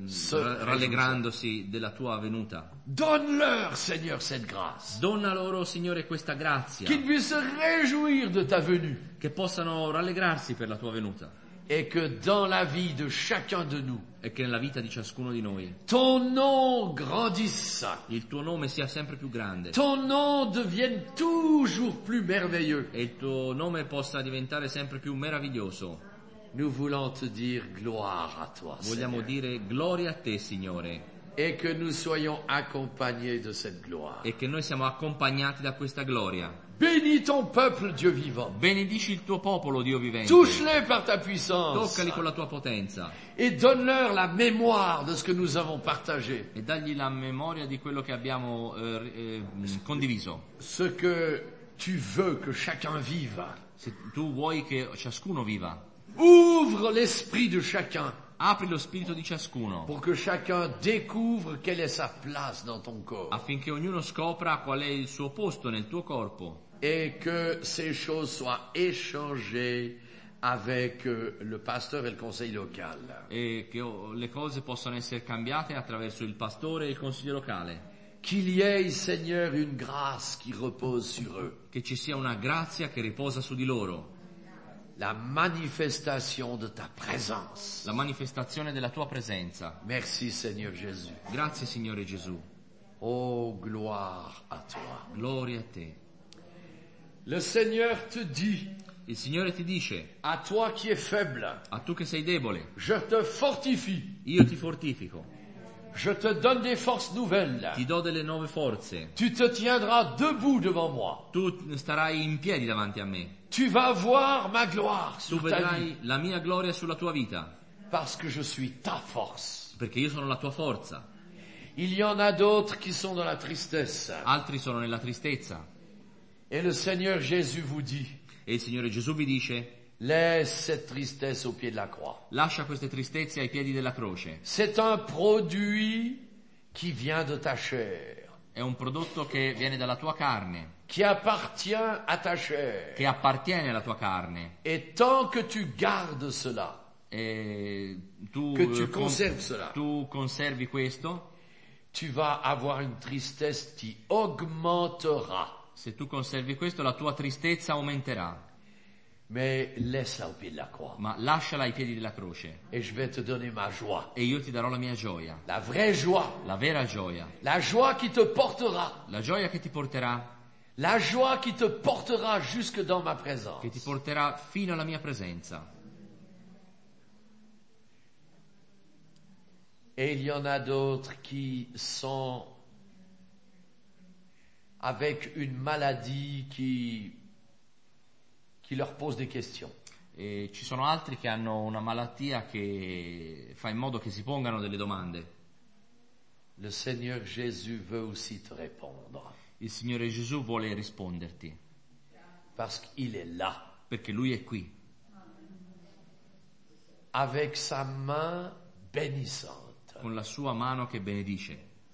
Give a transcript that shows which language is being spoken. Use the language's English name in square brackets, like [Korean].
[Italian] Rallegrandosi della tua venuta. [French] Donne leur, Seigneur, cette grâce. [Italian] Donna loro, Signore, questa grazia. [French] Qu'ils puissent réjouir de ta venue. [Italian] Che possano rallegrarsi per la tua venuta. [French] Et que dans la vie de chacun de nous. [Italian] E che nella vita di ciascuno di noi. [French] Ton nom grandisse. [Italian] Il tuo nome sia sempre più grande. [French] Ton nom devienne toujours plus merveilleux. [Italian] E il tuo nome possa diventare sempre più meraviglioso. [French] Nous voulons te dire gloire à toi, Seigneur. [Italian] Vogliamo dire gloria a te, Signore. [French] Et que nous soyons accompagnés de cette gloire. [Italian] E che noi siamo accompagnati da questa gloria. [French] Bénis ton peuple, Dieu vivant. [Italian] Benedici il tuo popolo, Dio vivente. [French] Touche-les par ta puissance. [Italian] Toccali con la tua potenza. [French] Et donne-leur la mémoire de ce que nous avons partagé. [Italian] E dagli la memoria di quello che abbiamo condiviso. [French] Ce que tu veux que chacun vive. [Italian] Se tu vuoi che ciascuno viva. [French] Ouvre l'esprit de chacun. [Italian] Apri lo spirito di ciascuno. [French] Pour que chacun découvre quelle est sa place dans ton corps. [Italian] Affinché ognuno scopra qual è il suo posto nel tuo corpo. [French] et que ces choses soient échangées avec le pasteur et le conseil local. Et que les choses puissent être [Italian] cambiate attraverso il pastore e il consiglio locale. [French] Qu'il y ait, Seigneur, une grâce qui repose sur eux. [Italian] Che ci sia una grazia che riposa su di loro. [French] La manifestation de ta présence. [Italian] La manifestazione della tua presenza. [French] Merci, Seigneur Jésus. [Italian] Grazie, Signore Gesù. [French] Oh, gloire à toi. [Italian] Gloria a te. [French] Le Seigneur te dit. [Italian] Il Signore ti dice. [French] À toi qui es faible. [Italian] A tu che sei debole. [French] Je te fortifie. [Italian] Io ti fortifico. [French] Je te donne des forces nouvelles. [Italian] Ti do delle nuove forze. [French] Tu te tiendras debout devant moi. [Italian] Tu starai in piedi davanti a me. [French] Tu vas voir ma gloire sur ta vie. [Italian] Tu vedrai la mia gloria sulla tua vita. [French] Parce que je suis ta force. [Italian] Perché io sono la tua forza. [French] Il y en a d'autres qui sont dans la tristesse. [Italian] Altri sono nella tristezza. [French] Et le Seigneur Jésus vous dit. [Italian] E il Signore Gesù vi dice. [French] Laisse cette tristesse au pied de la croix. [Italian] Lascia queste tristezze ai piedi della croce. [French] C'est un produit qui vient de ta chair. [Italian] È un prodotto che viene dalla tua carne. [French] Qui appartient à ta chair. [Italian] Che appartiene alla tua carne. [French] Et tant que tu gardes cela. [Italian] E tu, [French] que tu conserves cela. [Italian] Tu conservi questo. [French] Tu vas avoir une tristesse qui augmentera. [Italian] Se tu conservi questo, la tua tristezza aumenterà. [French] Mais laisse-la au pied de la croix. [Italian] Ma lasciala ai piedi della croce. [French] Et je vais te donner ma joie. [Italian] E io ti darò la mia gioia. [French] La vraie joie. [Italian] La vera gioia. [French] La joie qui te portera. [Italian] La gioia che ti porterà. [French] La joie qui te portera jusque dans ma présence. [Italian] Che ti porterà fino alla mia presenza. [French] Et il y en a d'autres qui sont avec une maladie qui leur pose des questions. [Italian] E ci sono altri che hanno una malattia che fa in modo che si pongano delle domande. [French] Le Seigneur Jésus veut aussi te répondre. [Italian] Il Signore Gesù vuole risponderti. [French] Parce qu'il est là. [Italian] Perché lui è qui. [French] Avec sa main bénissante. [Italian] Con la sua mano che benedice.